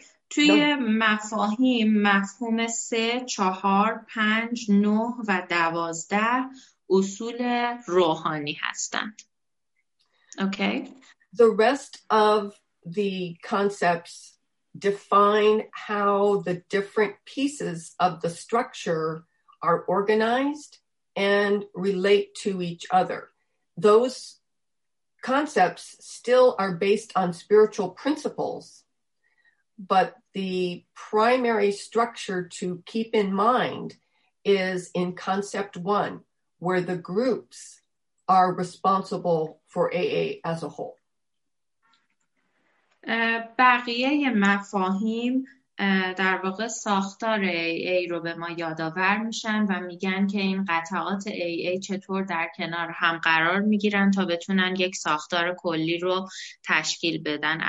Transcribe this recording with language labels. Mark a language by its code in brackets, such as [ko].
[fa] توی مفاهیم مفهوم 3, 4, 5, 9, and 12 اصول روحانی هستند. [en] Okay. The rest of the concepts define how the different pieces of the structure are organized and relate to each other. Those concepts still are based on spiritual principles, but the primary structure to keep in mind is in concept one, where the groups are responsible for AA as a whole. [fa] بقیه مفاهیم در واقع ساختار AA رو به ما یادآور میشن و میگن که این قطعات AA چطور در کنار هم قرار میگیرن تا بتونن یک ساختار کلی رو تشکیل بدن.